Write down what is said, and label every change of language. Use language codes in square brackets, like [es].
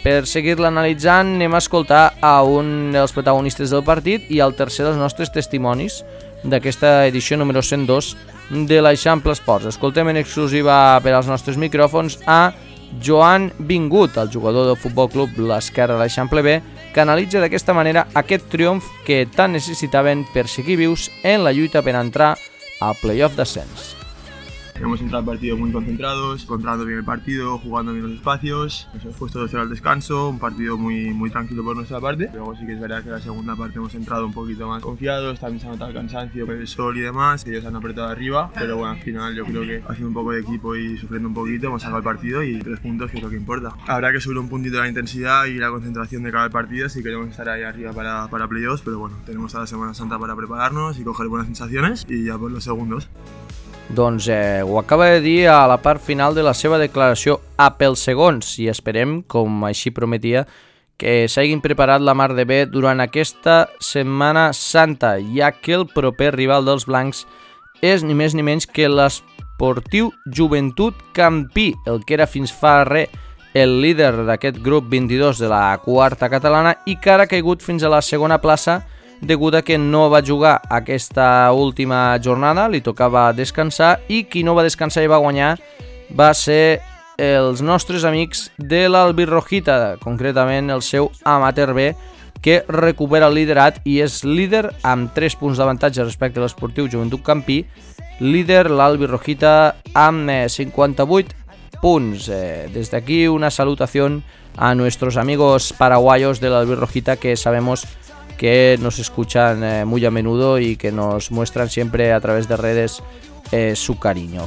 [ca] Per seguir-la analitzant, anem a escoltar a un dels protagonistes del partit i al tercer dels nostres testimonis d'aquesta edició número 102 de l'Eixample Esports. Escoltem en exclusiva per als nostres micròfons a Joan Vingut, el jugador del Futbol Club L'Esquerra de l'Eixample B, que analitza d'aquesta manera aquest triomf que tant necessitaven per seguir vius en la lluita per entrar al playoff d'ascens. [es] Hemos entrado al partido muy concentrados, controlando bien el partido, jugando bien los espacios. Nos hemos puesto 2-0 al descanso, un partido muy, muy tranquilo por nuestra parte. Luego sí que es verdad que en la segunda parte hemos entrado un poquito más confiados, también se ha notado el cansancio por el sol y demás, ellos han apretado arriba. Pero bueno, al final yo creo que haciendo un poco de equipo y sufriendo un poquito hemos sacado el partido y 3 puntos, que es lo que importa. Habrá que subir un puntito la intensidad y la concentración de cara al partido si queremos estar ahí arriba para playoffs, pero bueno, tenemos a la Semana Santa para prepararnos y coger buenas sensaciones y ya por los segundos. [ca] Doncs ho acaba de dir a la part final de la seva declaració a pels segons, i esperem, com així prometia, que s'hagin preparat la mar de bé durant aquesta Setmana Santa, ja que el proper rival dels blancs és ni més ni menys que l'Esportiu Joventut Campí, el que era fins fa res el líder d'aquest grup 22 de la quarta catalana i que ara ha caigut fins a la segona plaça degut a que no va jugar aquesta última jornada, li tocava descansar, i qui no va descansar i va guanyar va ser els nostres amics de l'Albirrojita, concretament el seu Amater B, que recupera el liderat i és líder amb 3 punts d'avantatge respecte a l'Esportiu Joventut Campí, líder l'Albirrojita amb 58 punts. Des d'aquí una salutació a nostres amics paraguaios de l'Albirrojita, [es] que sabemos que nos escuchan muy a menudo y que nos muestran siempre a través de redes su cariño.